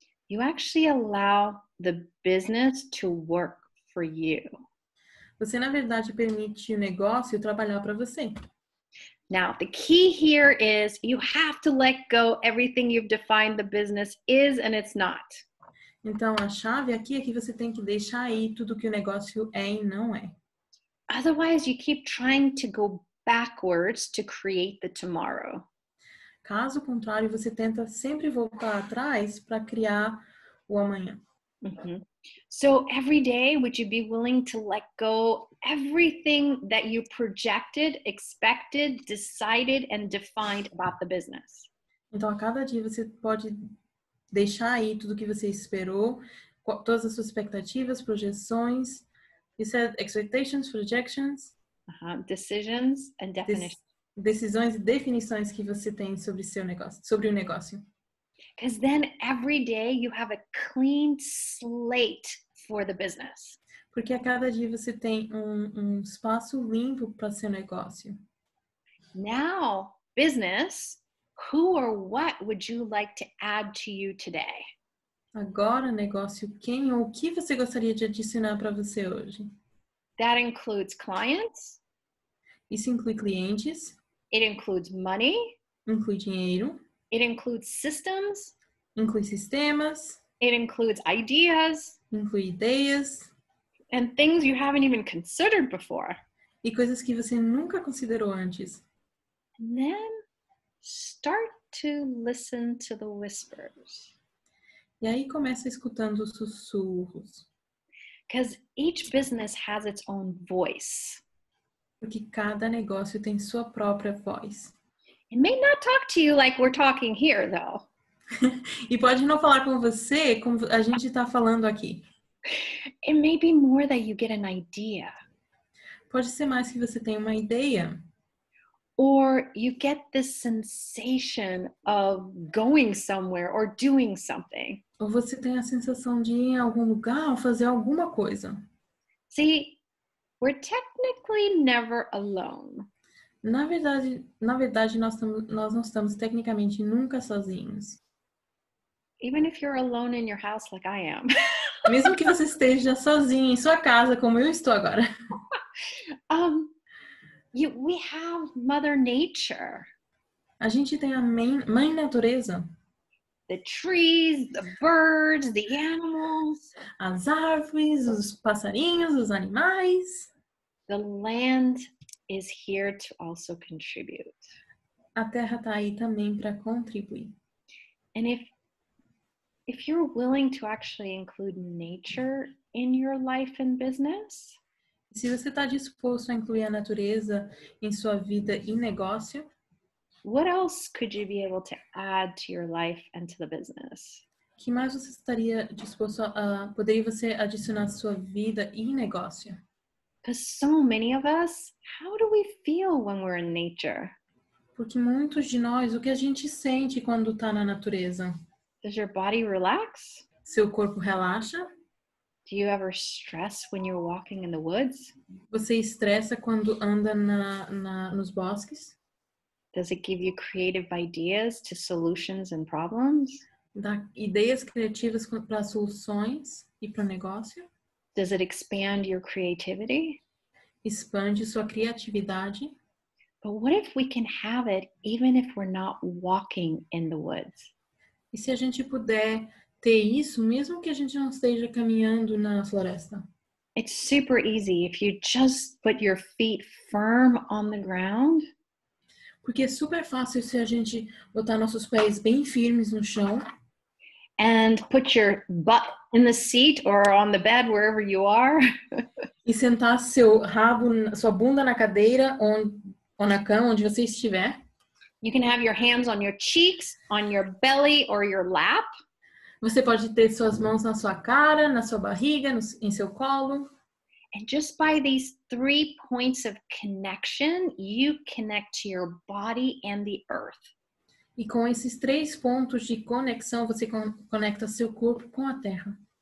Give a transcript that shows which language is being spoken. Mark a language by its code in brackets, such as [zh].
[en] you actually allow the business to work for you. [pt] Você, na verdade, permite o negócio trabalhar para você. [en] Now, the key here is you have to let go everything you've defined the business is and it's not. [pt] Então, a chave aqui é que você tem que deixar aí tudo que o negócio é e não é. [en] Otherwise, you keep trying to go backwards to create the tomorrow. [pt] Caso contrário, você tenta sempre voltar atrás para criar o amanhã. Mm-hmm. [en] So every day, would you be willing to let go everything that you projected, expected, decided, and defined about the business? [pt] Então, a cada dia, você pode deixar aí tudo que você esperou, todas as suas expectativas, projeções. [en] You said expectations, projections. Uh-huh. Decisions and definitions. [pt] Decisões e definições que você tem sobre seu negócio, sobre o negócio. [en] Because then every day you have a clean slate for the business. [pt] Porque a cada dia você tem um espaço limpo para seu negócio. [en] Now, business, who or what would you like to add to you today? [pt] Agora, negócio, quem ou o que você gostaria de adicionar para você hoje? [en] That includes clients. [pt] Isso inclui clientes. [en] It includes money. [pt] Inclui dinheiro. [en] It includes systems. [pt] Inclui sistemas. [en] It includes ideas. [pt] Inclui ideias. [en] And things you haven't even considered before. [pt] E coisas que você nunca considerou antes. [en] And then start to listen to the whispers. [pt] E aí começa escutando os sussurros. [en] Because each business has its own voice. [pt] Porque cada negócio tem sua própria voz. [en] It may not talk to you like we're talking here, though. [pt] E pode não falar com você como a gente está falando aqui. [en] It may be more that you get an idea. [pt] Pode ser mais que você tenha uma ideia. [en] Or you get this sensation of going somewhere or doing something. [pt] Ou você tem a sensação de ir em algum lugar ou fazer alguma coisa. [en] See, we're technically never alone. [pt] Na verdade, nós não estamos tecnicamente nunca sozinhos. [en] Even if you're alone in your house like I am. [pt] Mesmo que você esteja sozinho em sua casa, como eu estou agora. [en] We have Mother Nature. [pt] A gente tem a mãe natureza. [en] The trees, the birds, the animals. [pt] As árvores, os passarinhos, os animais. [en] The land is here to also contribute. [pt] A terra tá aí também para contribuir. [en] And if you're willing to actually include nature in your life and business, [pt] se você tá disposto a incluir a natureza em sua vida e negócio, [en] What else could you be able to add to your life and to the business? [pt] O que mais você estaria disposto a poderia você adicionar à sua vida e negócio? [en] Because so many of us, how do we feel when we're in nature? [pt] Porque muitos de nós, o que a gente sente quando está na natureza? [en] Does your body relax? [pt] Seu corpo relaxa? [en] Do you ever stress when you're walking in the woods? [pt] Você estressa quando anda nos bosques? [en] Does it give you creative ideas to solutions and problems? [pt] Dá ideias criativas para soluções e para negócio? [en] Does it expand your creativity? [pt] Expande sua criatividade. [en] But what if we can have it even if we're not walking in the woods? [pt] E se a gente puder ter isso mesmo que a gente não esteja caminhando na floresta? [en] It's super easy if you just put your feet firm on the ground. [pt] Porque é super fácil se a gente botar nossos pés bem firmes no chão. [en] And put your butt in the seat or on the bed wherever you are. [pt] E sentar seu rabo, sua bunda na cadeira ou na cama onde você estiver. [en] You can have your hands on your cheeks, on your belly or your lap. [pt] Você pode ter suas mãos na sua cara, na sua barriga, em seu colo. [en] And just by these three points of connection, you connect to your body and the earth. [pt] E com esses três pontos de conexão, você conecta seu corpo com a terra.